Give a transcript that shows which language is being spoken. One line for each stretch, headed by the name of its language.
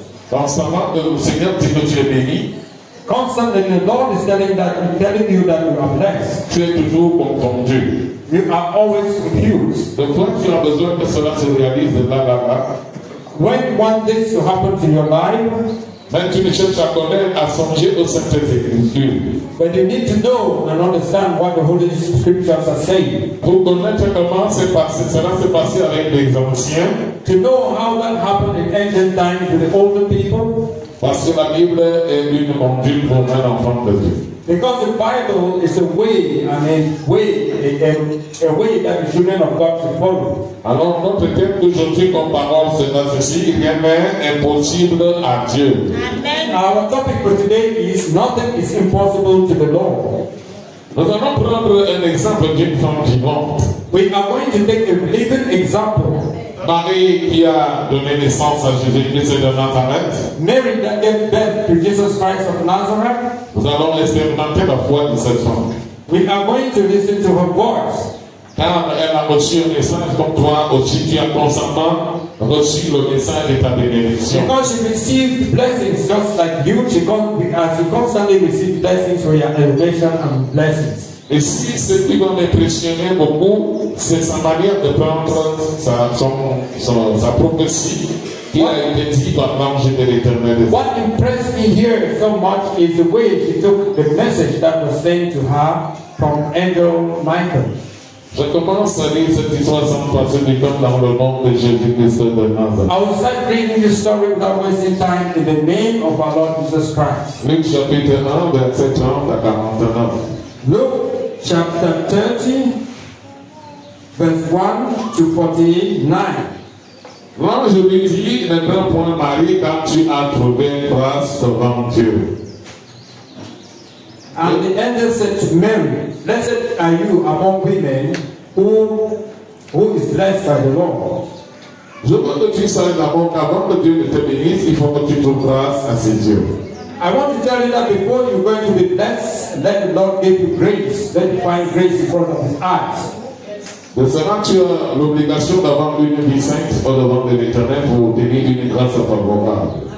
French: Constamment, le Seigneur dit que tu es béni.
English: Constantly, the Lord is telling you that you are blessed.
French: Tu es toujours confondu.
English: You are always confused.
French: De fois, tu as besoin que cela se réalise là, là, là.
English: When you want this to happen to your life,
French: mais tu ne cherches à connaître, à songer aux Saintes Écritures.
English: But you need to know and understand what the Holy Scriptures are saying.
French: Pour connaître comment cela s'est passé avec les anciens.
English: To know how that happened in ancient times with the older people.
French: Parce que la Bible est une module pour un enfant de Dieu.
English: Because the Bible is a way, a way that the children of God should follow.
French: Alors notre thème d'aujourd'hui comme parole sera ceci, rien n'est impossible à Dieu. Amen.
English: Our topic for today is nothing is impossible to the Lord.
French: Nous allons prendre un exemple d'une femme vivante.
English: We are going to take a living example.
French: Marie qui a donné naissance à Jésus-Christ de Nazareth.
English: Mary that gave birth to Jesus Christ of Nazareth.
French: Nous allons expérimenter la foi de cette femme.
English: We are going to listen to her voice.
French: Car elle a reçu un message comme toi aussi, tu as constamment reçu le message de ta bénédiction.
English: Because she received blessings just like you, she constantly received blessings for your elevation and blessings.
French: Et si ce qui va m'impressionner beaucoup, c'est sa manière de prendre sa prophétie qui a été dit par l'ange de l'Éternel.
English: What impressed me here so much is the way she took the message that was sent to her from Angel Michael.
French: Je commence à lire cette histoire sans passer du temps dans le nom de Jésus-Christ de Nazareth.
English: I will start reading the story without wasting time in the name of our Lord Jesus Christ.
French: Luc chapitre 1, verset 30 à 49.
English: Luke chapter 30, verse 1 to 49.
French: L'ange lui dit, ne prends point Marie, car tu as trouvé grâce devant Dieu.
English: And the angel said to Mary, blessed are you among women, who is blessed by the Lord.
French: Je veux que tu saches d'abord qu'avant que Dieu ne te bénisse, il faut que tu trouves grâce à ses yeux.
English: I want to tell you that before you're going to be blessed, let the Lord give you grace. Let you find grace in front of His eyes.
French: De cela, tu as l'obligation d'avoir une vie sainte au devant de l'Éternel pour obtenir une grâce favorable.